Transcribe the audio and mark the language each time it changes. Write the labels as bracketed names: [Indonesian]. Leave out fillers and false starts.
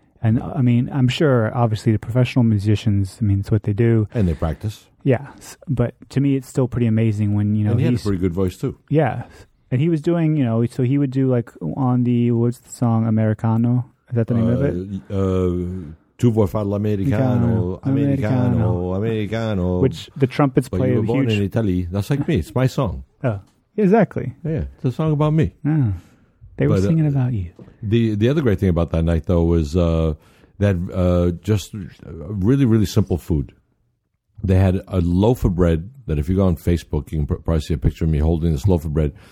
[English] And, I mean, I'm sure, obviously, the professional musicians, I mean, it's what they do. And they practice. Yeah. But to me, it's still pretty amazing when, you know, and he had a pretty good voice, too. Yeah. And he was doing, you know, so he would do, like, on the, what's the song, Americano? Is that the name of it? [Italian] Tu vuoi fare l'americano, americano, americano. [English] Which the trumpets play a huge... But you were born in Italy. That's like me. It's my song. Oh, exactly. Yeah, it's a song about me. Oh. They were singing about you. The other great thing about that night, though, was that just really, really simple food. They had a loaf of bread that if you go on Facebook, you can probably see a picture of me holding this loaf of bread.